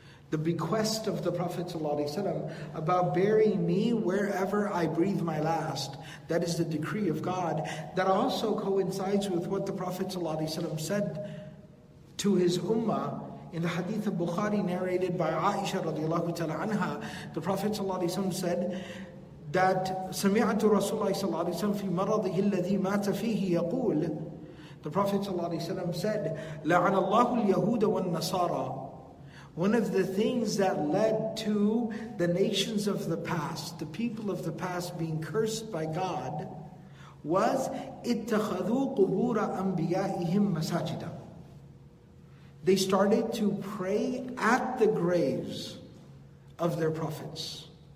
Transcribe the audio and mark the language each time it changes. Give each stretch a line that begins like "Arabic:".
English: the bequest of the Prophet ﷺ about burying me wherever I breathe my last, that is the decree of God, that also coincides with what the Prophet ﷺ said to his ummah. In the hadith of Bukhari narrated by Aisha radiallahu ta'ala anha, the Prophet ﷺ said that
Arabic: سَمِعَتُ رَسُولَهِ صَلَّى اللَّهِ وَسَلَّمْ فِي مَرَضِهِ الَّذِي مَاتَ فِيهِ يَقُولُ.
English: The Prophet ﷺ said,
Arabic: لَعَنَ اللَّهُ الْيَهُودَ وَالنَّصَارَى.
English: One of the things that led to the nations of the past, the people of the past being cursed by God, was
Arabic: اتَّخَذُوا قُبُورَ أَنْبِيَائِهِمْ مَسَاجِدًا.
English: They started to pray at the graves of their prophets.